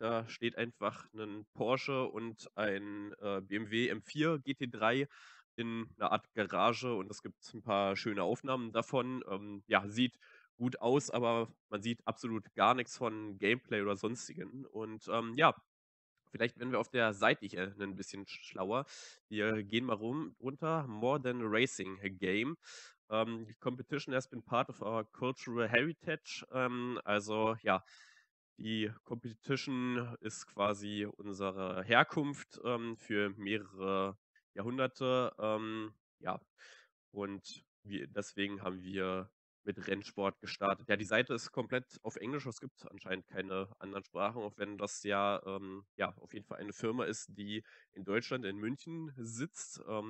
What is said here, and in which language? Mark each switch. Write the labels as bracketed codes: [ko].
[de] Da steht einfach ein Porsche und ein BMW M4 GT3 in einer Art Garage und es gibt ein paar schöne Aufnahmen davon. Ja, sieht gut aus, aber man sieht absolut gar nichts von Gameplay oder sonstigen. Und ja, vielleicht werden wir auf der Seite hier ein bisschen schlauer. Wir gehen mal runter. [en] More than a racing game. The competition has been part of our cultural heritage. [de] Also ja, die Competition ist quasi unsere Herkunft für mehrere Jahrhunderte. Ja, und deswegen haben wir mit Rennsport gestartet. Ja, die Seite ist komplett auf Englisch. Es gibt anscheinend keine anderen Sprachen, auch wenn das ja auf jeden Fall eine Firma ist, die in Deutschland, in München sitzt.